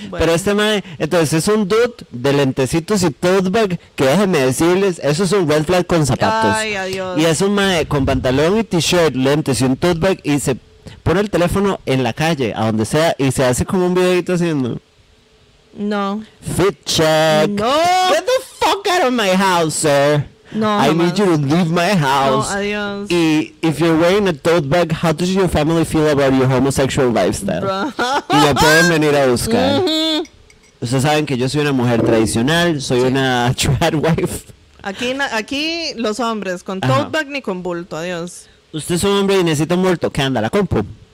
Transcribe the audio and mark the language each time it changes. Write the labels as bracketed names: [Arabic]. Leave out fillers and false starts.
[Spanish] Pero este mae, entonces es un dude de lentecitos y tote bag, que déjenme decirles, eso es un red flag con zapatos. Ay, adiós. Y es un mae con pantalón y t-shirt, lentes y un tote bag, y se pone el teléfono en la calle, a donde sea, y se hace como un videito haciendo. No. [English] Fit check. [Spanish] No. [English] Get the fuck out of my house, sir. [Spanish] No, [English] I need you to leave my house. [Spanish] No, adiós. [English] Y if you're wearing a tote bag, how does your family feel about your homosexual lifestyle? Bro. [Spanish] Y ya pueden venir a buscar. Ustedes saben que yo soy una mujer tradicional, soy una trad wife. Aquí los hombres, con tote bag ni con bulto, adiós. Usted es un hombre y necesita un bulto, ¿qué anda? ¿La compu?